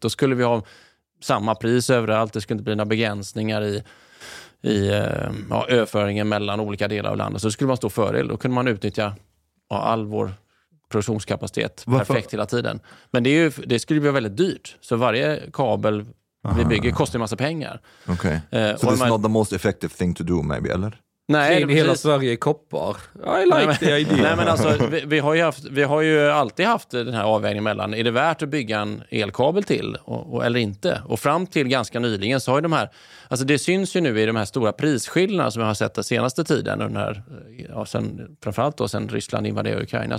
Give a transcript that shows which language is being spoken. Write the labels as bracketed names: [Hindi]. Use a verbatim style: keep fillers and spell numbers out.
[Swedish] Då skulle vi ha samma pris överallt. Det skulle inte bli några begränsningar i, i ja, överföringen mellan olika delar av landet. Så det skulle vara en stor fördel. Då kunde man utnyttja ja, all vår produktionskapacitet Varför? perfekt hela tiden. Men det, är ju, det skulle bli väldigt dyrt. Så varje kabel vi bygger kostar en massa pengar. Okej. [English] Okay. Uh, so it's man... not the most effective thing to do maybe, [Swedish] eller? Nej, det hela precis. Sverige i koppar. [English] I like [Swedish] nej, [English] the idea. [Swedish] Nej, men alltså, vi, vi, har ju haft, vi har ju alltid haft den här avvägningen mellan, är det värt att bygga en elkabel till och, och, eller inte? Och fram till ganska nyligen så har ju de här, alltså det syns ju nu i de här stora prisskillnaderna som vi har sett den senaste tiden, och den här, ja, sen, framförallt då sen Ryssland invaderade Ukraina.